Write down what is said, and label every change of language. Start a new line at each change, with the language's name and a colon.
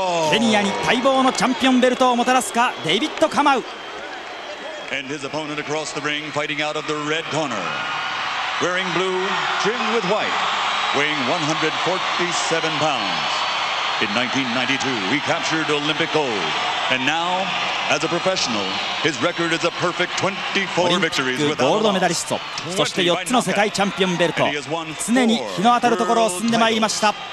Japanese: ケニアに待望のチャンピオンベルトをもたらすかデイビッド・カマウ。
English: And his opponent across the ring, fighting out of the red corner, wearing blue, trimmed with white, weighing 147 pounds. In 1992 he captured Olympic gold, and now as a professional his record is a perfect 24 victories
Japanese: with a ゴールドメダリスト、そして4つの世界チャンピオンベルト、常に日の当たるところを進んでまいりました。